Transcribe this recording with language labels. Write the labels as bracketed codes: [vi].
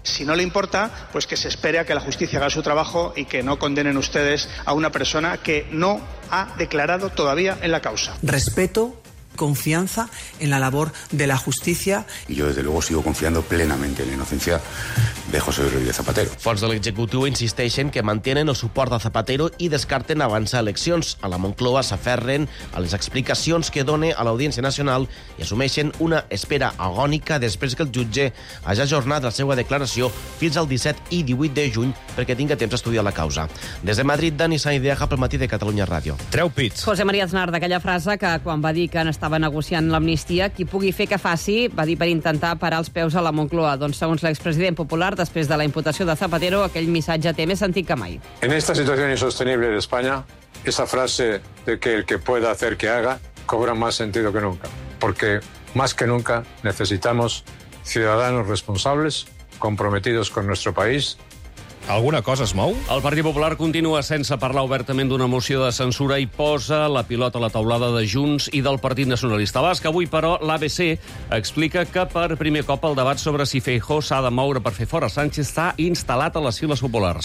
[es] Si no li importa, pues que se espere a que la justícia haga su trabajo y que no condenen ustedes a una persona que no ha declarado todavía en la causa. Respeto, confianza en la labor de la justicia. Y yo, desde luego, sigo confiando plenamente en la inocencia de José Rodríguez Zapatero. [ca] Fons de l'executiu insisteixen que mantenen el suport de Zapatero i descarten avançar eleccions. A la Moncloa s'aferren a les explicacions que dona a l'Audiència Nacional i assumeixen una espera agònica després que el jutge hagi ajornat la seva declaració fins al 17 i 18 de juny perquè tinga temps a estudiar la causa. Des de Madrid, Dani Sanidea, pel matí de Catalunya Ràdio. Treu pit. José María Aznar, d'aquella frase que quan va dir que estava negociant l'amnistia, qui pugui fer que faci, va dir per intentar parar els peus a la Moncloa. Doncs, segons l'expresident popular, després de la imputació de Zapatero, aquell missatge té més sentit que mai. [es] En esta situación insostenible de España, esa frase de que el que pueda hacer que haga cobra más sentido que nunca, porque más que nunca necesitamos ciudadanos responsables comprometidos con nuestro país. [ca] Alguna cosa es mou? El Partit Popular continua sense parlar obertament d'una moció de censura i posa la pilota a la taulada de Junts i del Partit Nacionalista Basc. Avui, però, l'ABC explica que per primer cop el debat sobre si Feijóo s'ha de moure per fer fora Sánchez està instal·lat a les files populars.